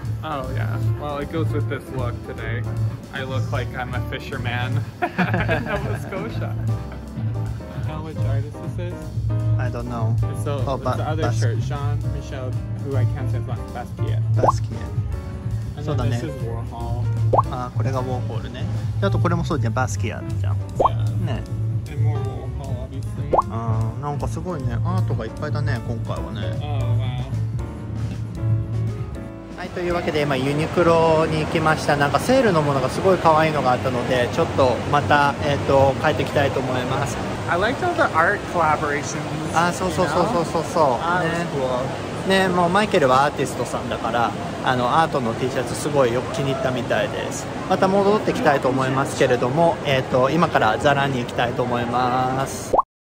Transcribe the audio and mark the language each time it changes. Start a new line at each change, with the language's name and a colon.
English: Oh yeah, well it goes with this look today. I look like I'm a fisherman in Nova Scotia. How much artist is this? I don't know. So, oh, it's the other shirt, Jean-Michel, who I can't say is like Basquiat. Basquiat. And so then this is Warhol.
Japanese: Ah, これがウォーホールね。あとこれもそうじゃん、バスキアじゃん。ね。
English: And more Warhol, obviously.
Japanese: ああ、なんかすごいね、アートがいっぱいだね、今回はね。
English: Oh, wow.
Japanese: はい、というわけで今ユニクロに行きました。なんかセールのものがすごい可愛いのがあったので、ちょっとまた、帰ってきたいと思います。
English: I liked all the art collaborations.
Japanese: ああ、そうそうそうそうそうそう、ね、cool. ね、もうマイケルはアーティストさんだから、あのアートの T シャツすごいよく気に入ったみたいです。また戻ってきたいと思いますけれども、今からザラに行きたいと思います。